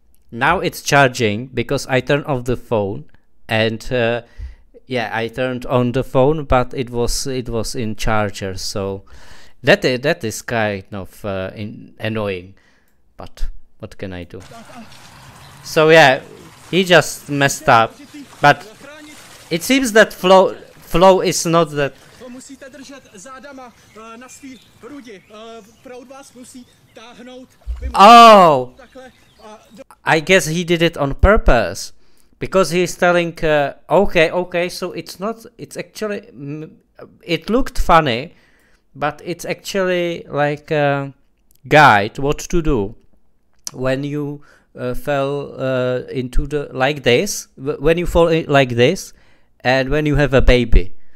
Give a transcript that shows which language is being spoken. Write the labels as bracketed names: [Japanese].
[English] Now it's charging because I turn off the phone and I turned on the phone, but it was in charger. So that is kind of annoying, but what can I do? So yeah, he just messed up, but it seems that flow is not that. [Czech] Musíte držet zádama na svý hrudi. Proud vás musí táhnout. [English] I guess he did it on purpose, because he's telling, okay, so it's not, it's actually, it looked funny, but it's actually like a guide what to do when you fell into the, like this, when you fall in like this, and when you have a baby.